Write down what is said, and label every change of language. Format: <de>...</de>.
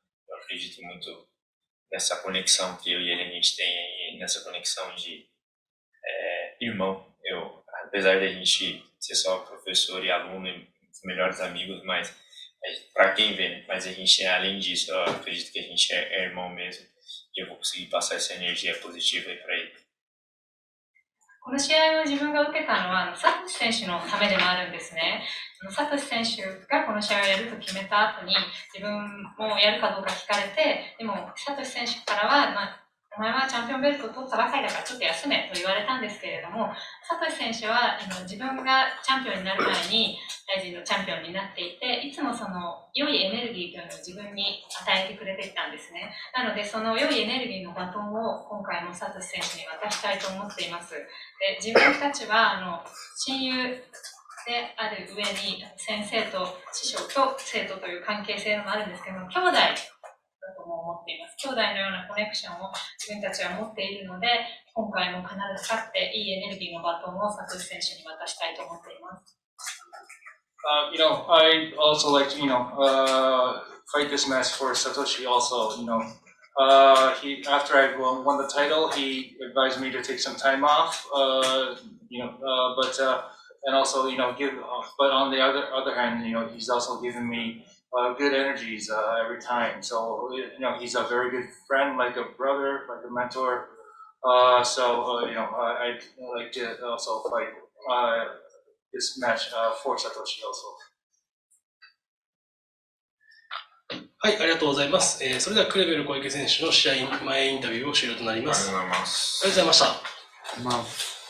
<pt>Eu acredito muito nessa conexão que eu e ele a gente tem, nessa conexão de irmão. Eu, apesar de a gente ser só professor e aluno e melhores amigos, mas para quem vê, mas a gente é além disso, eu acredito que a gente é irmão mesmo e eu vou conseguir passar essa energia positiva aí para ele.</pt> <ja>この試合を自分が受けたのは、サトシ選手のためでもあるんですね。サトシ選手がこの試合をやると決めた後に、自分もやるかどうか聞かれて、でもサトシ選手からは、お前はチャンピオンベルトを取ったばかりだからちょっと休めと言われたんですけれども、サトシ選手は自分がチャンピオンになる前に、ライジンのチャンピオンになっていて、いつもその良いエネルギーというのを自分に与えてくれていたんですね。なので、その良いエネルギーのバトンを今回もサトシ選手に渡したいと思っています。で自分たちは親友である上に、先生と師匠と生徒という関係性もあるんですけども、兄弟、兄弟のようなコネクションを自分たちは持っているので、今回も必ず勝っていいエネルギーのバトンをサトシ選手に渡したいと思っています。</ja> <en>You know, I also like to, you know, fight this match for Satoshi also, you know. After I won the title, he advised me to take some time off, and also, you know, give off. But on the other hand, you know, he's also given me good energies every time. So, you know, he's a very good friend, like a brother, like a mentor. I'd like to also fight this match for Satoshi also.</en> <ja>はい、ありがとうございます。それではクレベル小池選手の試合前インタビューを終了となります。ありがとうございます。ありがとうございました。ありがとうございます。</ja>